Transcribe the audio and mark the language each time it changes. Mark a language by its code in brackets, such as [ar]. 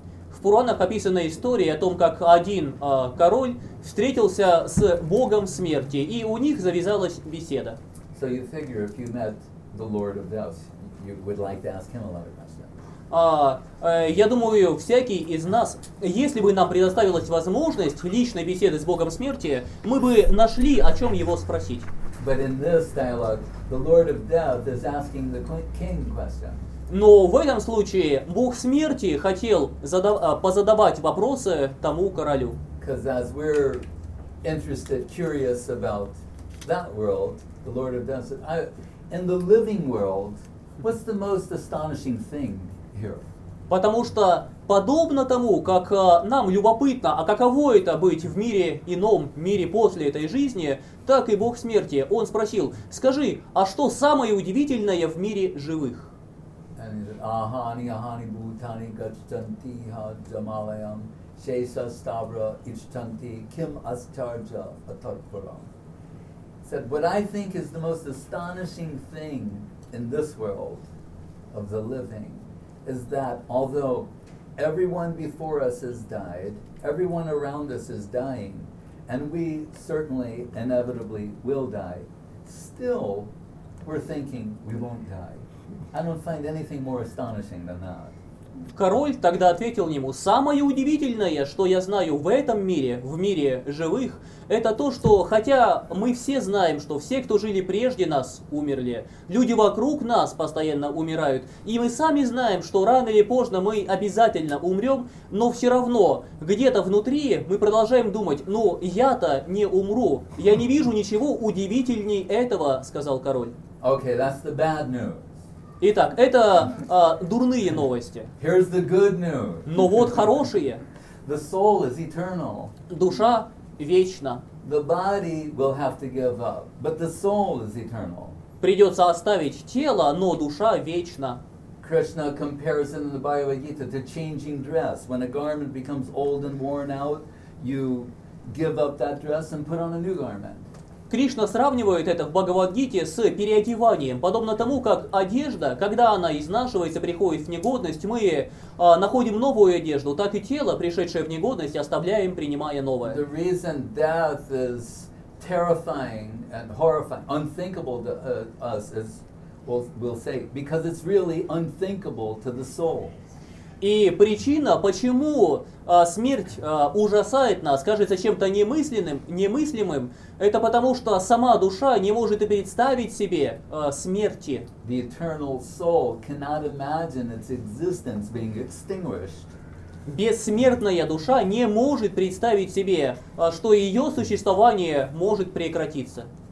[ru] В Пуранах описана история о том, как один король встретился с Богом смерти, и у них завязалась беседа. [en] So you figure if you met the Lord of Death, you would like to ask him a lot of questions. [ru] Я думаю, всякий из нас, если бы нам предоставилась возможность личной беседы с Богом смерти, мы бы нашли, о чем его спросить. [en] But in this dialogue, the Lord of Death is asking the king question. [ru] Но в этом случае Бог смерти хотел позадавать вопросы тому королю. [en] Because as we're interested, curious about that world, the Lord of Death said, in the living world, what's the most astonishing thing here? [ru] Потому что подобно тому, как нам любопытно, а каково это быть в мире ином, мире после этой жизни, так и Бог смерти. Он спросил: скажи, а что самое удивительное в мире живых? [sa] Ахани, ахани, бутани, гачтанти, ха, джамалаям, шеса, ставра, ичтанти, ким асчарджа, атарпурам. [en] Said, what I think is the most astonishing thing in this world of the living is that although everyone before us has died, everyone around us is dying, and we certainly, inevitably will die, still we're thinking we won't die. I don't find anything more astonishing than that. [ru] Король тогда ответил ему: самое удивительное, что я знаю в этом мире, в мире живых, это то, что хотя мы все знаем, что все, кто жили прежде нас, умерли, люди вокруг нас постоянно умирают, и мы сами знаем, что рано или поздно мы обязательно умрем, но все равно где-то внутри мы продолжаем думать: ну, я-то не умру, я не вижу ничего удивительней этого, сказал король. [en] Okay, that's the bad news. [ru] Итак, это дурные новости. [en] Here's the good news. [ru] Но вот хорошие. [en] The soul is eternal. [ru] Душа вечна. [en] The body will have to give up, but the soul is eternal. [ru] Придется оставить тело, но душа вечна. [en] Krishna compares it in the Bhagavad Gita to changing dress. When a garment becomes old and worn out, you give up that dress and put on a new garment. [ru] Кришна сравнивает это в Бхагавад-гите с переодеванием, подобно тому, как одежда, когда она изнашивается, приходит в негодность, мы находим новую одежду, так и тело, пришедшее в негодность, оставляем, принимая новое. [en] The reason death is terrifying and horrifying, unthinkable to us, is, we'll say, because it's really unthinkable to the soul. [ru] И причина, почему смерть ужасает нас, кажется чем-то немыслимым, это потому, что сама душа не может и представить себе смерти. [en] The eternal soul cannot imagine its existence being extinguished. [ru] Бессмертная душа не может представить себе, что ее существование может прекратиться.